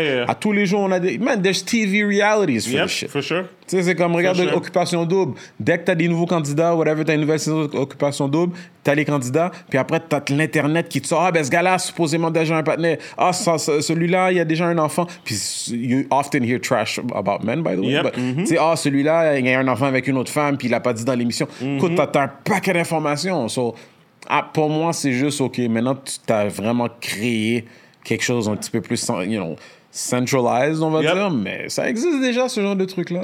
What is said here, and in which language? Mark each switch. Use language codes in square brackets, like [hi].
[en] Yeah, yeah. [fr] À tous les jours, on a des... [en] Man, there's TV realities for yep, this shit. For sure. [fr] Tu sais, c'est comme, regarde, sure. Occupation double. Dès que t'as des nouveaux candidats, whatever, t'as une nouvelle saison d'Occupation double, t'as les candidats, puis après, t'as l'Internet qui te sort, ben, ce gars-là, supposément, déjà un partenaire. Celui-là, il y a déjà un enfant. [en] Puis, you often hear trash about men, by the way. Yep. But, mm-hmm. [fr] t'sais, celui-là, il y a un enfant avec une autre femme, puis il l'a pas dit dans l'émission. Mm-hmm. Écoute, t'as un paquet d'informations. So, pour moi, c'est juste, OK, maintenant, tu t'as vraiment créé quelque chose un petit peu plus, [en] you know, centralized, [fr] on va [en] yep. [fr] dire, mais ça existe déjà, ce genre de truc-là.